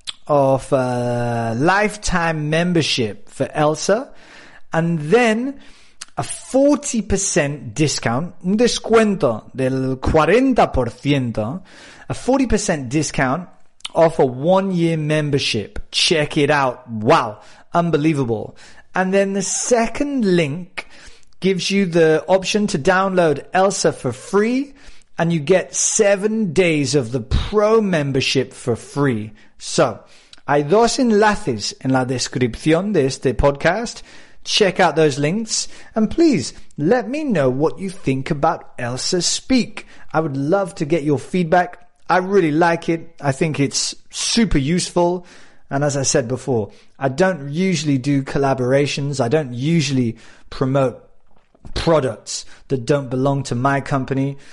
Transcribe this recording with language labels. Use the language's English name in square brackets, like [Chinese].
[English] of a lifetime membership for Elsa, and then a 40% discount, [Spanish] un descuento del 40%, [English] a 40% discount off a 1-year membership. Check it out. Wow, unbelievable. And then the second link gives you the option to download Elsa for free, and you get 7 days of the pro membership for free. [Spanish] So, hay dos enlaces en la descripción de este podcast. [English] Check out those links. And please, let me know what you think about Elsa Speak. I would love to get your feedback. I really like it. I think it's super useful. And as I said before, I don't usually do collaborations. I don't usually promote products that don't belong to my company.